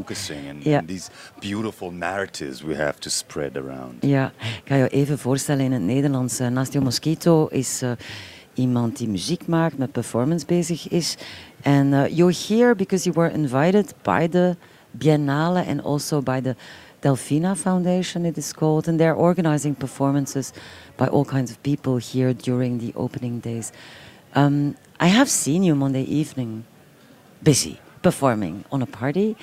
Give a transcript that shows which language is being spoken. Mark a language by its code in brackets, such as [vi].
[en] Focusing and these beautiful narratives we have to spread around. [nl] Ja, ik ga je even voorstellen in het Nederlands. Nastio Mosquito is iemand die muziek maakt, met performance bezig is. [en] And you're here because you were invited by the Biennale and also by the Delfina Foundation, it is called, and they're organizing performances by all kinds of people here during the opening days. I have seen you Monday evening, busy, performing on a party.